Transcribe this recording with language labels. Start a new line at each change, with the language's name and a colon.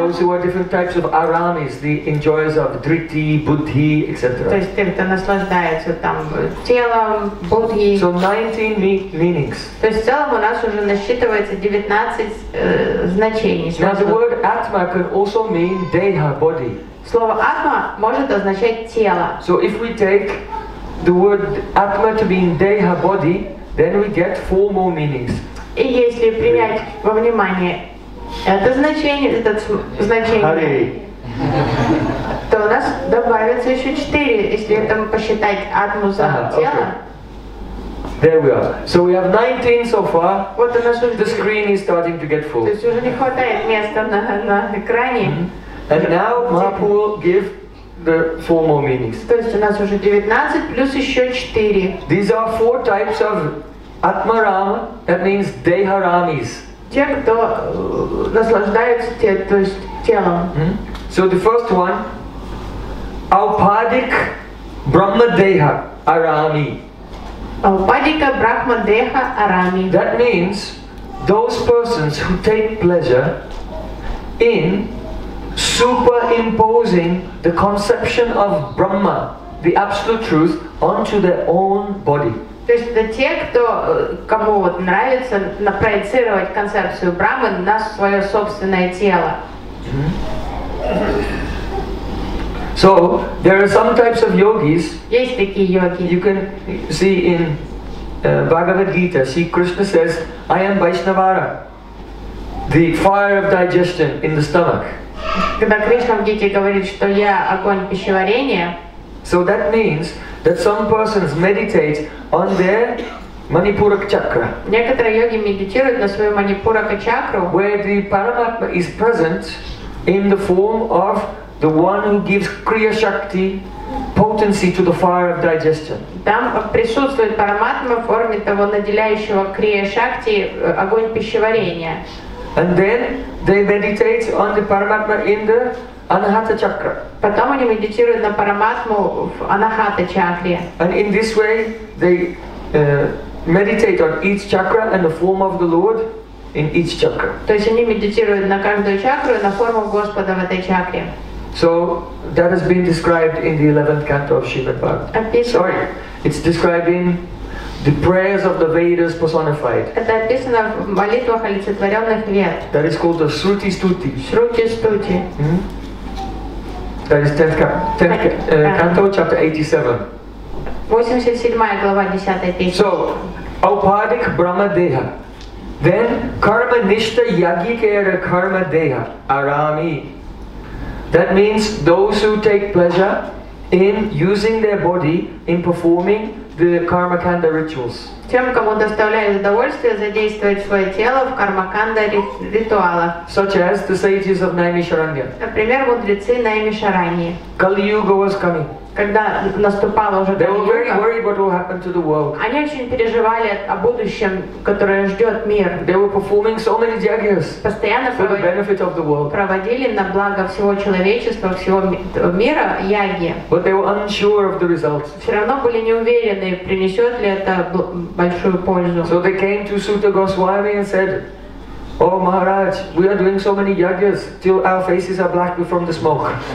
English: Those who are different types of Aramis, the enjoyers of Dhriti, Buddhi, etc.
Russian: То есть те, кто наслаждается там телом, Буддхи.
English: So 19 meanings.
Russian: То есть в целом у нас уже насчитывается 19 значений.
English: Now the word Atma can also mean Deha, body.
Russian: Слово Атма может означать тело.
English: So if we take the word Atma to mean Deha, body, then we get four more meanings.
Russian: И если принять во внимание Это значение, это значение. Hare. То у нас добавится еще 4, если это мы посчитать атму за тело.
English: There we are. So we have 19 so far.
Russian: Вот у нас
English: the screen is starting to get full.
Russian: То есть уже не хватает места на экране. Mm-hmm.
English: And now Mahaprabhu will give the four more meanings.
Russian: То есть у нас уже 19 плюс еще 4.
English: These are four types of Atmarama, that means Deharamis.
Russian: Те, кто наслаждаются то есть телом. Mm-hmm.
English: So the first one, Aupadik Brahma Deha Arami.
Sanskrit: Aupadika Brahma Deha Arami.
English: That means those persons who take pleasure in superimposing the conception of Brahma, the absolute truth, onto their own body.
Russian: То есть это те, кто, кому вот нравится напроецировать концепцию Брахмы на свое собственное тело.
English: So there are some types of yogis.
Russian: Есть такие йоги.
English: You can see in Bhagavad Gita, see Krishna says, I am Vaishnavara, the fire of digestion in the stomach.
Russian: Когда Кришна в Гите говорит, что я огонь пищеварения.
English: So that means that some persons meditate on their Manipurak chakra.
Russian: Некоторые йоги медитируют на свою Манипурака чакру.
English: Where the Paramatma is present in the form of the one who gives Kriya Shakti potency to the fire of digestion.
Russian: Там присутствует Параматма в форме того наделяющего Крия Шакти огонь пищеварения.
English: And then they meditate on the Paramatma in the Anahata chakra.
Russian: Потом они медитируют на Параматму в Анахата чакре.
English: And in this way they meditate on each chakra and the form of the Lord in each chakra.
Russian: То есть они медитируют на каждую чакру и на форму Господа в этой чакре.
English: So that has been described in the 11th canto of Srimad Bhagavatam. Sorry, it's described in the prayers of the Vedas personified.
Russian: Это описано в молитвах олицетворенных Вед.
English: That is called the Shruti Stuti.
Sanskrit: Shruti Stuti.
English: That is 10th canto, chapter 87.
Russian: 87 глава 10 песни.
English: So, Aupadik Brahma Deha. Then, Karma Nishta Yagikera Karma Deha Arami. That means those who take pleasure in using their body in performing the Karmakanda rituals.
Russian: Тем, кому доставляет удовольствие задействовать свое тело в Кармаканда ритуалах.
English: Such as the sages of Наймишаранья.
Russian: Например, мудрецы Наймишараньи.
English: Kali Yuga was coming.
Russian: Когда наступала уже Kali Yuga.
English: They were very worried what will happen to the world.
Russian: Они очень переживали о будущем, которое ждет мир.
English: They were performing so many yagyas.
Russian: Постоянно
English: for the benefit of the world.
Russian: Проводили на благо всего человечества, всего мира яги.
English: But they were unsure of the results.
Russian: Все равно были не уверены, принесет ли это большую пользу.
English: So they came to Suta Goswami and said, Oh Maharaj, we are doing so many yagyas till our faces are black from the smoke.